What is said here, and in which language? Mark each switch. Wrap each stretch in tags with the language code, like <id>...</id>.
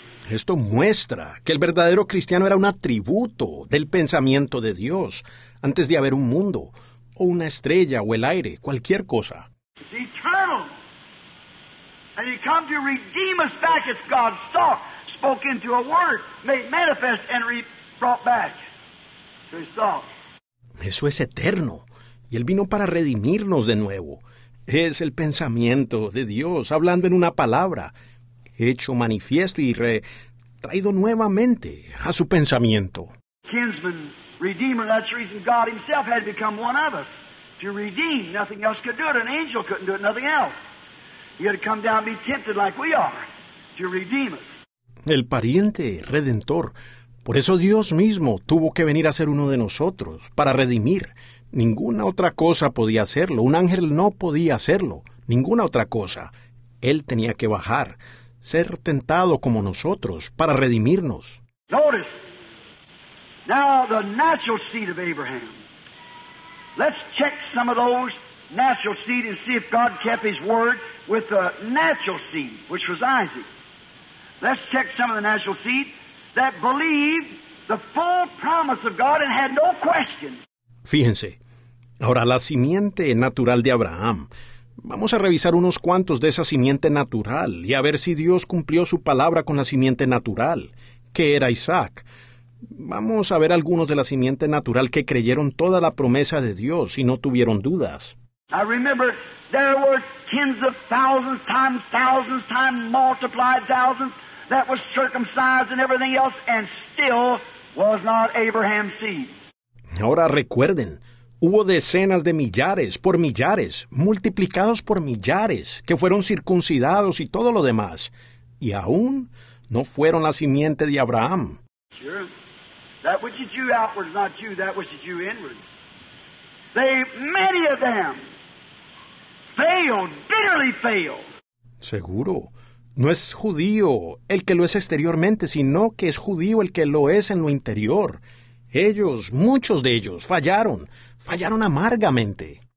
<es>Esto muestra que el verdadero cristiano era un atributo del pensamiento de Dios antes de haber un mundo, o una estrella, o el aire, cualquier cosa.</es> <en>And He come to redeem us back as God's thought, spoken to a word, made manifest and brought back to His thought.</en> <es>Eso es eterno. Y Él vino para redimirnos de nuevo. Es el pensamiento de Dios hablando en una palabra, hecho manifiesto y traído nuevamente a su pensamiento.</es> <en>Kinsman, Redeemer, that's the reason God Himself had become one of us. To redeem, nothing else could do it. An angel couldn't do it, nothing else. He had to come down and be tempted like we are to redeem us.</en> <es>El pariente redentor. Por eso Dios mismo tuvo que venir a ser uno de nosotros para redimir. Ninguna otra cosa podía hacerlo. Un ángel no podía hacerlo. Ninguna otra cosa. Él tenía que bajar, ser tentado como nosotros para redimirnos.</es> <en>Notice. Now the natural seed of Abraham. Let's check some of those natural seed and see if God kept His word with the natural seed, which was Isaac. Let's check some of the natural seed that believed the full promise of God and had no question.</en> <es>Fíjense, ahora la simiente natural de Abraham. Vamos a revisar unos cuantos de esa simiente natural y a ver si Dios cumplió su palabra con la simiente natural, que era Isaac. Vamos a ver algunos de la simiente natural que creyeron toda la promesa de Dios y no tuvieron dudas.</es> <en>I remember there were tens of thousands times multiplied thousands that was circumcised and everything else and still was not Abraham's seed.</en> <es>Ahora recuerden, hubo decenas de millares por millares, multiplicados por millares, que fueron circuncidados y todo lo demás, y aún no fueron la simiente de Abraham.</es> <en>Sure. That which is Jew outward is not Jew, that which is Jew inward. They, many of them, failed, bitterly failed.</en> <es>Seguro, no es judío el que lo es exteriormente, sino que es judío el que lo es en lo interior. Ellos, muchos de ellos, fallaron amargamente.</es>